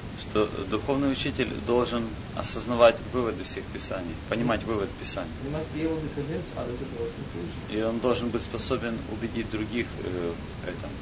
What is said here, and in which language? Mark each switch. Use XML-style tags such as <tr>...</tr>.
<ru>Что духовный учитель должен осознавать выводы всех писаний, понимать вывод писаний.</ru> <en>He must be able to convince others of those conclusions.</en> <ru>И он должен быть способен убедить других в этом.</ru>